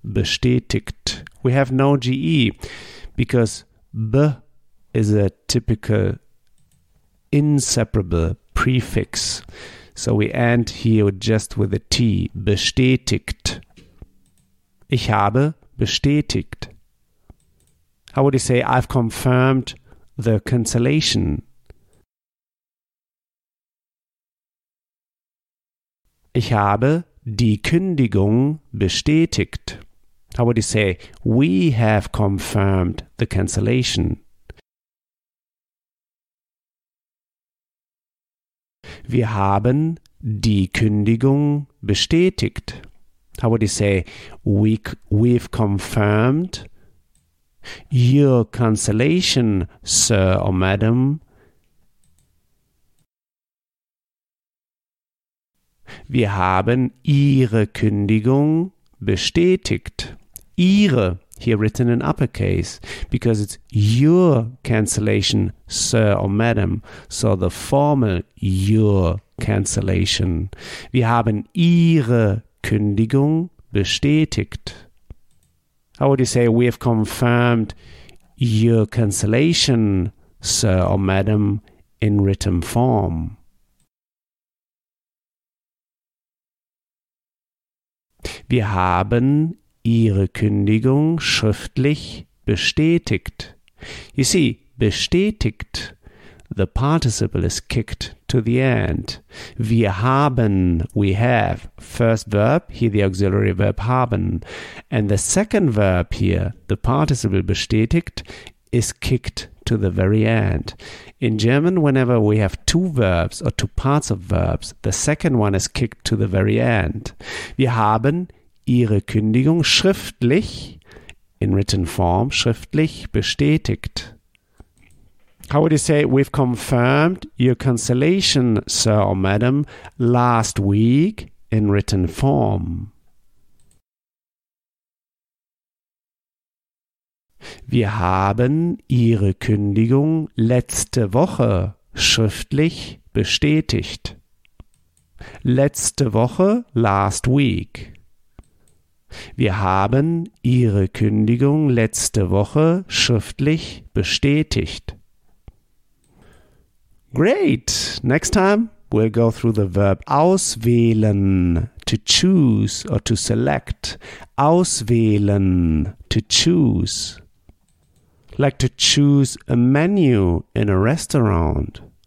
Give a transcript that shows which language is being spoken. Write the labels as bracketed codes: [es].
[en] Bestätigt. We have no GE because B is a typical inseparable prefix. So we end here just with a T. Bestätigt. [de] Ich habe bestätigt. [en] How would you say I've confirmed the cancellation? [de] Ich habe die Kündigung bestätigt. [en] How would you say, we have confirmed the cancellation? [de] Wir haben die Kündigung bestätigt. [en] How would you say, we've confirmed your cancellation, sir or madam? [de] Wir haben Ihre Kündigung bestätigt. [en] Ihre, here written in uppercase, because it's your cancellation, sir or madam. So the formal your cancellation. [de] Wir haben Ihre Kündigung bestätigt. [en] How would you say we have confirmed your cancellation, sir or madam, in written form? [de] Wir haben Ihre Kündigung schriftlich bestätigt. [en] You see, bestätigt, the participle is kicked to the end. [de] Wir haben, [en] we have, first verb, here the auxiliary verb haben. And the second verb here, the participle bestätigt, is kicked to the very end. In German, whenever we have two verbs or two parts of verbs, the second one is kicked to the very end. [de] Wir haben Ihre Kündigung schriftlich, [en] in written form, [de] schriftlich bestätigt. [en] How would you say, we've confirmed your cancellation, sir or madam, last week, in written form? [de] Wir haben Ihre Kündigung letzte Woche schriftlich bestätigt. Letzte Woche, [en] last week. [de] Wir haben Ihre Kündigung letzte Woche schriftlich bestätigt. [en] Great! Next time we'll go through the verb auswählen, to choose or to select. Auswählen, to choose. Like to choose a menu in a restaurant.